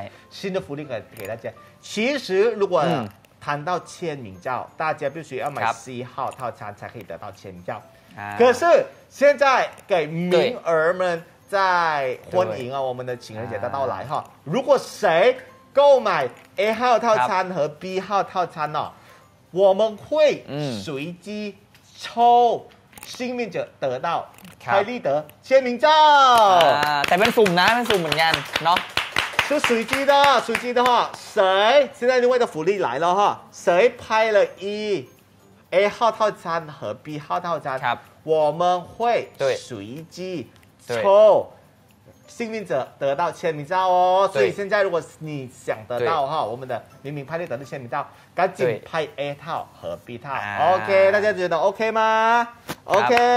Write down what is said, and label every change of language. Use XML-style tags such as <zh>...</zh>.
<zh>新的福利给大家其实如果谈到签名照大家必须要买 C 号套餐才可以得到签名照可是现在给名儿们在欢迎我们的情人节的到来如果谁购买 A 号套餐和 B 号套餐我们会随机抽幸运者得到凯利德签名照</zh> <th>แต่เป็นสุ่มนะเป็นสุ่มเหมือนกันเนาะ คือ</th> <zh>随机的随机的哈谁现在另外的福利来了哈谁拍了一 A 号套餐和 B 号套餐</zh> <th>ครับ</th> <zh>我们会随机抽幸运者得到签名照哦所以现在如果你想得到哈我们的明明拍立得的签名照赶紧拍 A 套和 B 套 OK 大家觉得 OK 吗 OK</zh>